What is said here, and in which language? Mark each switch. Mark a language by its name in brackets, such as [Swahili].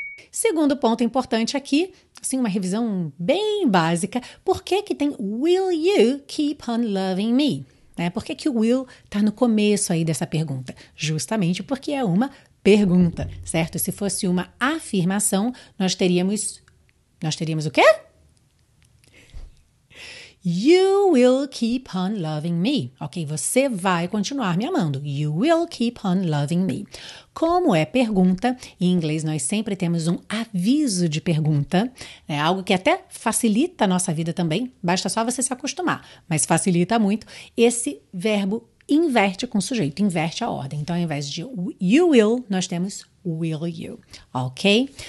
[Portuguese] Segundo ponto importante aqui, assim, uma revisão bem básica, por que que tem [English] will you keep on loving me? [Portuguese] Né? Por que que o will está no começo aí dessa pergunta? Justamente porque é uma pergunta, certo? Se fosse uma afirmação, nós teríamos o quê? [English] You will keep on loving me. [Portuguese] Ok, você vai continuar me amando. [English] You will keep on loving me. [Portuguese] Como é pergunta, em inglês nós sempre temos um aviso de pergunta, né? Algo que até facilita a nossa vida também, basta só você se acostumar, mas facilita muito. Esse verbo inverte com o sujeito, inverte a ordem. Então, ao invés de [English] you will, [Portuguese] nós temos [English] will you, [Portuguese] ok?